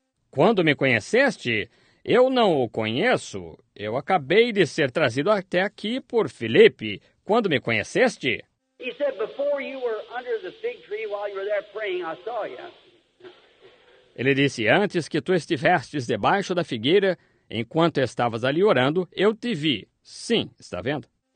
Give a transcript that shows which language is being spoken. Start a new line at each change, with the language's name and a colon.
Portuguese: Quando me conheceste? Eu não o conheço. Eu acabei de ser trazido até aqui por Filipe. Quando me conheceste?
English: He said, before you were under the fig tree while you were there praying, I saw you.
Portuguese: Ele disse: antes que tu estivestes debaixo da figueira, enquanto estavas ali orando, eu te vi. Sim, está vendo?